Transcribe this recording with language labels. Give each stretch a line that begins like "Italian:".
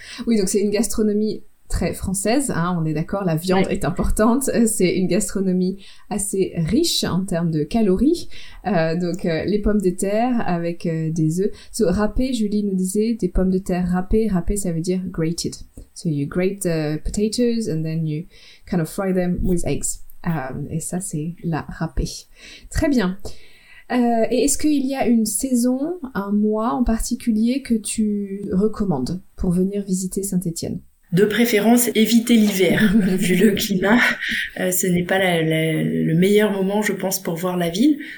French: Oui, donc c'est une gastronomie très française, hein, on est d'accord, la viande est importante. C'est une gastronomie assez riche en termes de calories. Les pommes de terre avec des œufs. So, râpé, Julie nous disait, des pommes de terre râpées, ça veut dire grated.
English: So you grate the potatoes and then you kind of fry them with eggs.
French: Et ça, c'est la râpée. Très bien. Et est-ce qu'il y a une saison, un mois en particulier que tu recommandes pour venir visiter Saint-Étienne ? De préférence, éviter l'hiver, vu le climat. Ce n'est pas le meilleur moment, je pense, pour voir la ville.